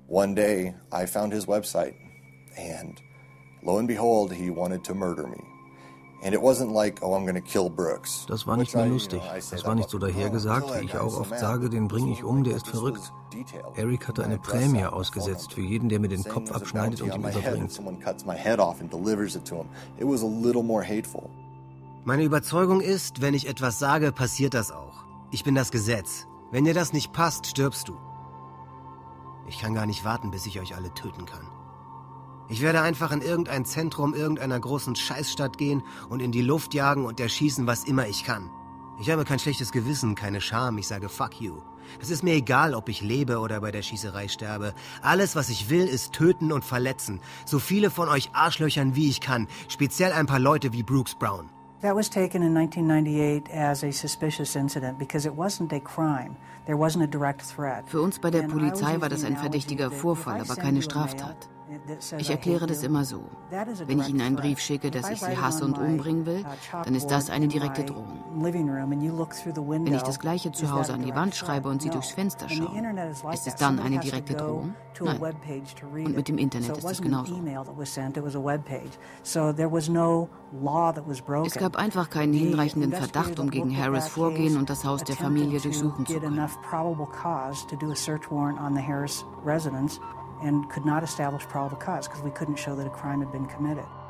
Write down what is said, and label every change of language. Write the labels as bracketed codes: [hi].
[en] One day I found his website and lo and behold he wanted to murder me. And it wasn't like, oh, I'm gonna kill Brooks. [de] Das war nicht mehr lustig. Das war nicht so dahergesagt, wie ich auch oft sage, den bringe ich um, der ist verrückt. Eric hatte eine Prämie ausgesetzt für jeden, der mir den Kopf abschneidet und ihn überbringt. Meine Überzeugung ist, wenn ich etwas sage, passiert das auch. Ich bin das Gesetz. Wenn dir das nicht passt, stirbst du. Ich kann gar nicht warten, bis ich euch alle töten kann. Ich werde einfach in irgendein Zentrum irgendeiner großen Scheißstadt gehen und in die Luft jagen und erschießen, was immer ich kann. Ich habe kein schlechtes Gewissen, keine Scham, ich sage [en] fuck you. [de] Es ist mir egal, ob ich lebe oder bei der Schießerei sterbe. Alles, was ich will, ist töten und verletzen. So viele von euch Arschlöchern, wie ich kann. Speziell ein paar Leute wie Brooks Brown. [en] That was taken in 1998 as a suspicious incident because it wasn't a crime. There wasn't a direct threat. [de] Für uns bei der Polizei war das ein verdächtiger Vorfall, aber keine Straftat. Ich erkläre das immer so. Wenn ich Ihnen einen Brief schicke, dass ich Sie hasse und umbringen will, dann ist das eine direkte Drohung. Wenn ich das Gleiche zu Hause an die Wand schreibe und Sie durchs Fenster schauen, ist es dann eine direkte Drohung? Nein. Und mit dem Internet ist das genauso. Es gab einfach keinen hinreichenden Verdacht, um gegen Harris vorgehen und das Haus der Familie durchsuchen zu können. [en] And could not establish probable cause because we couldn't show that a crime had been committed.